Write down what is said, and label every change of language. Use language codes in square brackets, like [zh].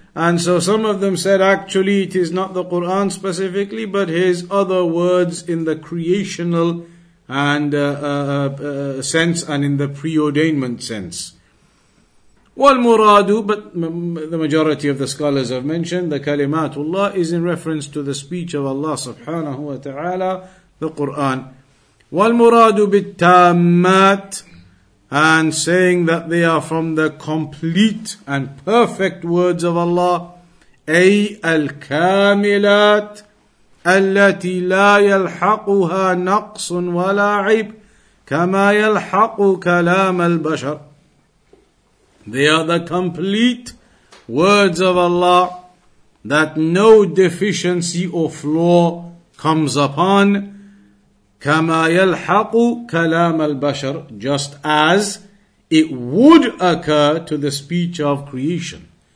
[en] And so some of them said, actually it is not the Qur'an specifically, but his other words in the creational and sense and in the preordainment sense. وَالْمُرَادُ, but the majority of the scholars have mentioned, the kalimatullah is in reference to the speech of Allah subhanahu wa ta'ala, the Qur'an. [ar] وَالْمُرَادُ بِالْتَامَّاتِ, [en] and saying that they are from the complete and perfect words of Allah, [ar] أي الْكَامِلَاتِ التي لا يلحقها نقص ولا عيب كما يلحق كلام البشر. [en] They are the complete words of Allah that no deficiency or flaw comes upon. [ar] كما يلحق كلام البشر, [en] just as it would occur to the speech of creation.